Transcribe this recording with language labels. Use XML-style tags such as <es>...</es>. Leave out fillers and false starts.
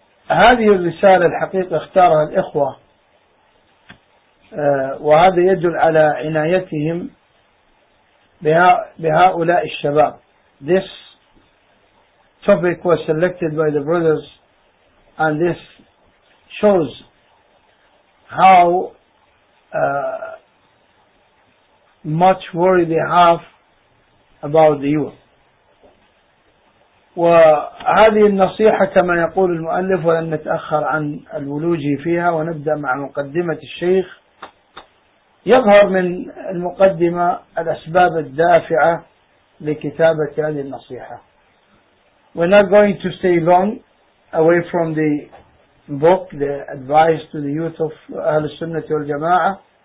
<ar>هذه الرسالة الحقيقة اختارها الإخوة وهذا يدل على عنايتهم بهؤلاء الشباب.</ar> <en>This topic was selected by the brothers and this shows how much worry they have about the youth.</en> <ar>وهذه النصيحة كما يقول المؤلف ولن نتأخر عن الولوج فيها ونبدأ مع مقدمة الشيخ. يظهر من المقدمة الأسباب الدافعة لكتابة هذه النصيحة.</ar> <en>We're not going to stay long away from the book, the advice to the youth of أهل السنة والجماعة.</en>